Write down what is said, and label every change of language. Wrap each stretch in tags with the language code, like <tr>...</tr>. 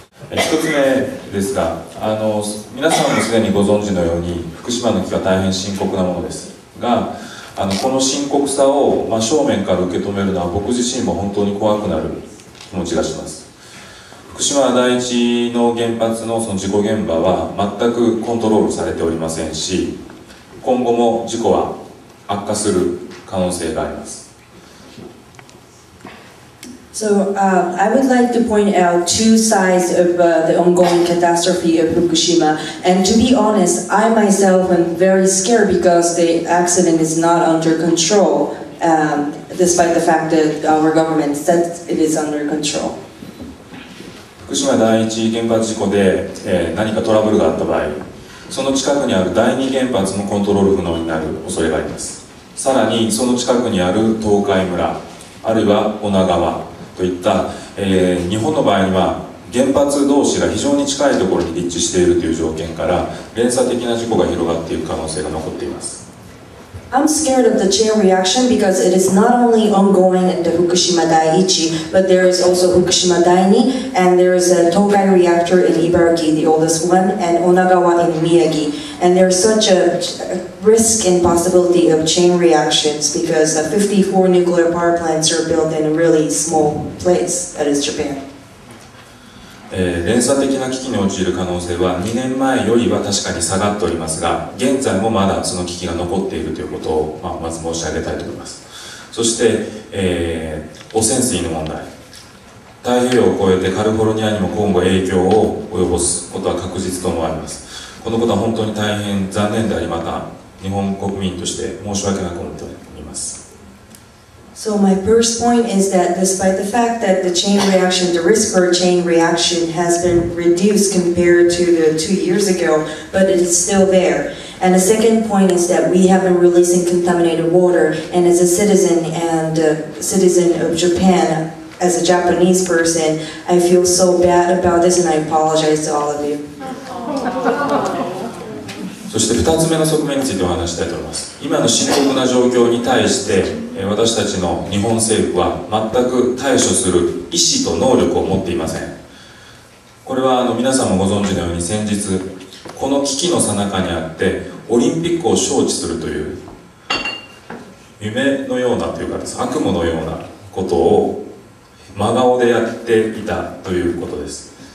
<ja>1つ目ですが、皆さんもすでにご存知のように福島の危機は大変深刻なものですが、この深刻さを正面から受け止めるのは僕自身も本当に怖くなる気持ちがします。福島第一の原発の、その事故現場は全くコントロールされておりませんし、今後も事故は悪化する可能性があります。</ja> <en>So, I would like to point out two sides of the ongoing catastrophe of Fukushima. And to be honest, I myself am very scared because the accident is not under control, despite the fact that our government said it is under control.</en> <ja>福島第一原発事故で、何かトラブルがあった場合、その近くにある第二原発もコントロール不能になる恐れがあります。さらにその近くにある東海村、あるいは女川といった、日本の場合には原発同士が非常に近いところに立地しているという条件から連鎖的な事故が広がっている可能性が残っています。</ja> <en>I'm scared of the chain reaction because it is not only ongoing at the Fukushima Daiichi, but there is also Fukushima Daini, and there is a Tokai reactor in Ibaraki, the oldest one, and Onagawa in Miyagi. And there is such a risk and possibility of chain reactions because 54 nuclear power plants are built in a really small place, that is Japan.</en> <ja>連鎖的な危機に陥る可能性は2年前よりは確かに下がっておりますが、現在もまだその危機が残っているということを、まず申し上げたいと思います。そして、汚染水の問題、太平洋を越えてカリフォルニアにも今後影響を及ぼすことは確実と思われます。このことは本当に大変残念であり、また日本国民として申し訳なく思っております。</ja> <en>So my first point is that despite the fact that the chain reaction, the risk for a chain reaction has been reduced compared to the 2 years ago, but it is still there. And the second point is that we have been releasing contaminated water, and as a citizen and a citizen of Japan, as a Japanese person, I feel so bad about this and I apologize to all of you.</en> <ja>そして2つ目の側面についてお話したいと思います。今の深刻な状況に対して、私たちの日本政府は全く対処する意思と能力を持っていません。これは皆さんもご存知のように、先日この危機の最中にあってオリンピックを招致するという夢のようなというかです、悪夢のようなことを真顔でやっていたということです。</ja>